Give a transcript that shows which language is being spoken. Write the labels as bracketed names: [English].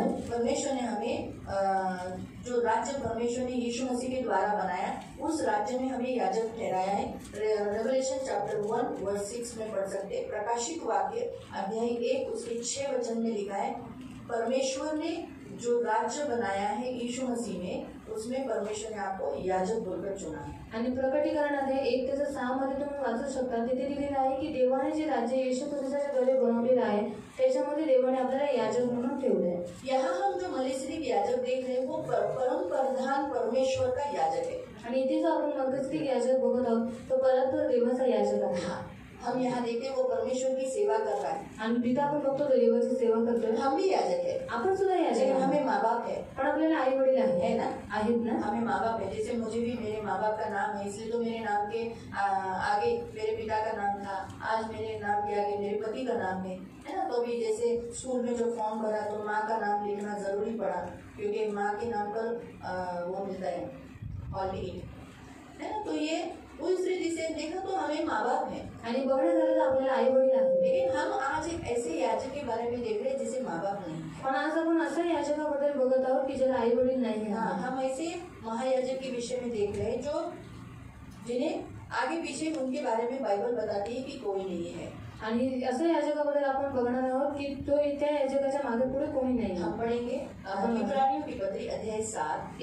[Hindi] परमेश्वर ने हमें जो राज्य परमेश्वर ने यीशु मसीह के द्वारा बनाया उस राज्य में हमें याजक ठहराया है। रेवलेशन चैप्टर 1 वर्स 6 में पढ़ सकते हैं। प्रकाशित वाक्य अध्याय 1 उसके 6 वचन में लिखा है, परमेश्वर ने जो राज्य बनाया है यीशु मसीह ने उसमें परमेश्वर ने आपको याजक बोलकर चुना है। [Marathi] आणि प्रकटीकरण आहे 1:6 तुम्ही वाचू शकता। तिथे लिहिलेलं आहे की देवाने जे राज्य येशू ख्रिस्ताच्या द्वारे बनवलेलं आहे त्याच्यामध्ये देवाने आपल्याला याजक म्हणून ठेवलं आहे। [Hindi] यहां हम जो मलिसिदिक याजक देख रहे वो परमप्रधान परमेश्वर का याजक है। [Marathi] आणि इथे जो आपण मलिसिदिक याजक बघत आहोत तो परमप्रधान देवाचा याजक आहे। [Hindi] हा हम यहाँ देखते हैं वो परमेश्वर की सेवा कर रहा है। [Marathi] आणि पिता पण बघतो तो देवाची सेवा करतो। [Hindi] हम भी याजक है, [Marathi] आपण सुद्धा याजक [Hindi] आहे। हमें माँ बाप है [Marathi] पण आपल्याला आई वडील [Hindi] है ना, [Marathi] आहेत ना, [Hindi] हमें माँ बाप है। जैसे मुझे भी मेरे माँ बाप का नाम है इसलिए तो मेरे नाम के आगे मेरे पिता का नाम था, आज मेरे नाम के आगे मेरे पति का नाम है ना। तो भी जैसे स्कूल में जो फॉर्म भरा तो माँ का नाम लिखना जरूरी पड़ा क्योंकि माँ के नाम पर वो मिलता है ऑलरेडी है ना। तो ये उस रीति से देखा तो हमें माँ बाप है। [Marathi] आणि बघण्या झालं तर आपल्याला आई वडील आहे। [Hindi] लेकिन हम आज एक ऐसे याचक के बारे में देख रहे हैं जिसे माँ बाप नहीं है। [Marathi] पण आज आपण असा याचकाबद्दल बघत आहोत की ज्याला आई वडील नाही [Hindi] है। हम ऐसे महायाजक के विषय में देख रहे हैं जो जिन्हें आगे पीछे उनके बारे में बाइबल बताती है कि कोई नहीं है। [Marathi] आणि असा याचकाबद्दल आपण बघणार आहोत की तो त्या याचकाच्या मागे पुढे कोणी नाही। [Hindi] हम पढेंगे इब्रानियों की पत्री अध्याय 7,